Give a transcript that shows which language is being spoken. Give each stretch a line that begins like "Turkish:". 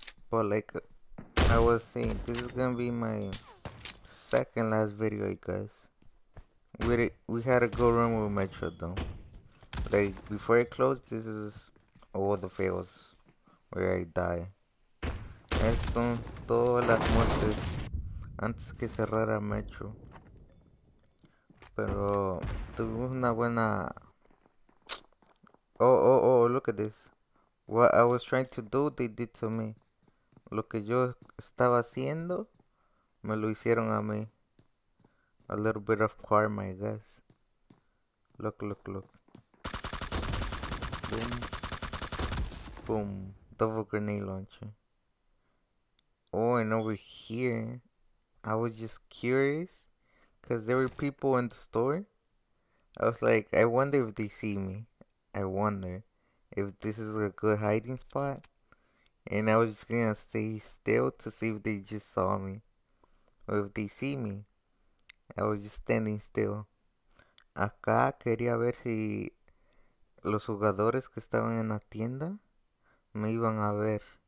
English: But like I was saying, this is gonna be my second last video, I guess. We had a good run with Metro, though. Like, before I close, this is all the fails where I die.
Spanish: Estas son todas las muertes antes que cerrara Metro. Pero tuvimos una buena.
English: Oh, oh, oh, look at this. What I was trying to do, they did to me.
Spanish: Lo que yo estaba haciendo, me lo hicieron a mí.
English: A little bit of karma, I guess. Look, look, look. Boom. Boom. Double grenade launcher. Oh, and over here, I was just curious. Because there were people in the store. I was like, I wonder if they see me. I wonder if this is a good hiding spot. And I was just gonna stay still to see if they just saw me. Or if they see me. I was just standing still.
Spanish: Acá quería ver si los jugadores que estaban en la tienda me iban a ver.